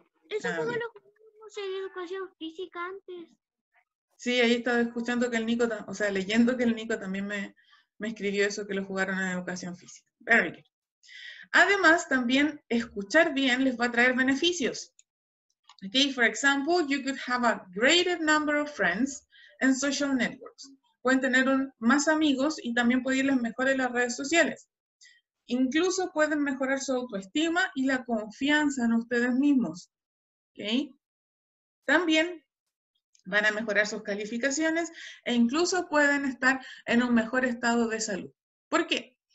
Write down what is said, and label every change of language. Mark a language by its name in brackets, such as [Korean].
[Spanish] Eso fue lo que hicimos en educación física antes. Sí, ahí estaba escuchando que el Nico, o sea, leyendo que el Nico también me escribió eso, que lo jugaron en educación física. [English] Very good. [Spanish] Además, también escuchar bien les va a traer beneficios. [English] Okay, for example, you could have a greater number of friends and social networks. [Spanish] Pueden tener más amigos y también pueden irles mejor en las redes sociales. Incluso pueden mejorar su autoestima y la confianza en ustedes mismos. Okay. También van a mejorar sus calificaciones e incluso pueden estar en un mejor estado de salud. ¿Por qué?